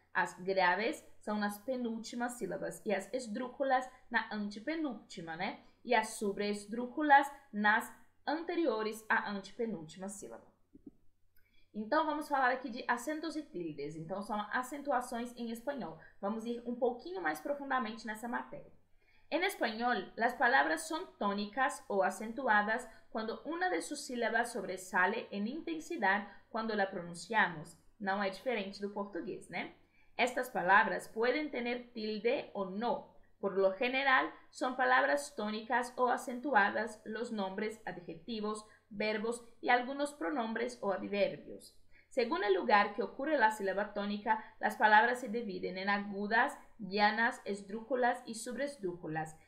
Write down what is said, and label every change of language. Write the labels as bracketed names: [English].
[Portuguese] As graves são nas penúltimas sílabas e as esdrúculas na antepenúltima, né? E as sobreesdrúculas nas anteriores à antepenúltima sílaba. Então, vamos falar aqui de acentos e tildes. Então, são acentuações em espanhol. Vamos ir um pouquinho mais profundamente nessa matéria. [Spanish] En español, las palabras son tónicas o acentuadas cuando una de sus sílabas sobresale en intensidad cuando la pronunciamos. [Portuguese] Não é diferente do português, né? [Spanish] Estas palabras pueden tener tilde o no. Por lo general, son palabras tónicas o acentuadas los nombres, adjetivos, verbos y algunos pronombres o adverbios. Según el lugar que ocurre la sílaba tónica, las palabras se dividen en agudas, llanas, esdrúculas y subesdrúculas.